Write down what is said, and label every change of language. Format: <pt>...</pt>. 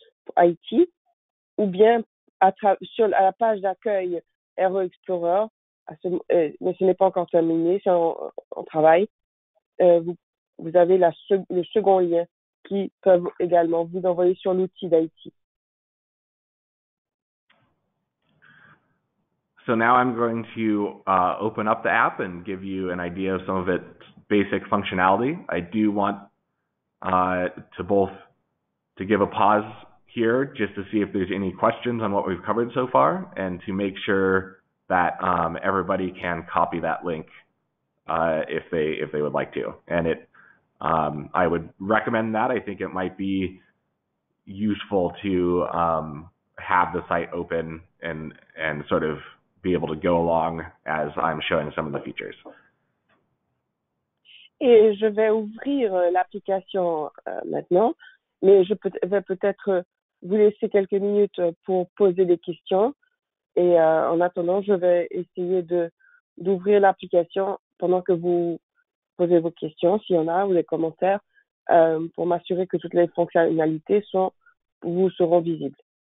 <fr>pour IT, ou bien à la page d'accueil RE Explorer, mais ce n'est pas encore terminé, c'est en travail, vous avez le second lien qui peut également vous envoyer sur l'outil d'IT.</fr> <en>So now I'm going to open up the app and give you an idea of some of its basic functionality. I do want to give a pause here just to see if there's any questions on what we've covered so far and to make sure that everybody can copy that link if they would like to. And I would recommend that. I think it might be useful to have the site open and sort of be able to go along as I'm showing some of the features.</en> <fr>Et je vais ouvrir l'application maintenant, mais je vais peut-être vous laisser quelques minutes pour poser des questions. Et en attendant, je vais essayer d'ouvrir l'application pendant que vous posez vos questions, s'il y en a, ou des commentaires, pour m'assurer que toutes les fonctionnalités vous seront visibles.</fr>